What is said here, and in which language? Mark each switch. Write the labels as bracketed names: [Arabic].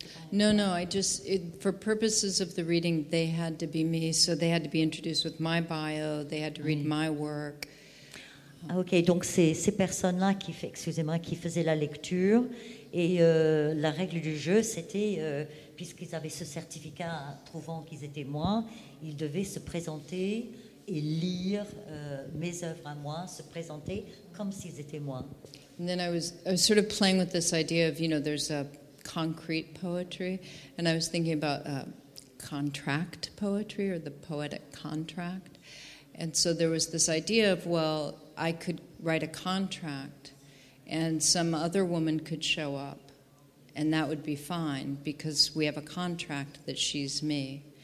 [English] No, I just, for purposes of the reading, they had to be me, so they had to be introduced with my bio, they had to read my work. [French] Ah, ok, donc c'est ces personnes-là qui faisaient la lecture, et la règle du jeu, c'était, puisqu'ils avaient ce certificat prouvant qu'ils étaient moi, ils devaient se présenter et lire mes œuvres à moi, se présenter comme s'ils étaient moi. [English] And then I was sort of playing with this idea of, you know, there's a concrete poetry, and I was thinking about contract poetry or the poetic contract. And so there was this idea of, well, I could write a contract and some other woman could show up and that would be fine because we have a contract that she's me.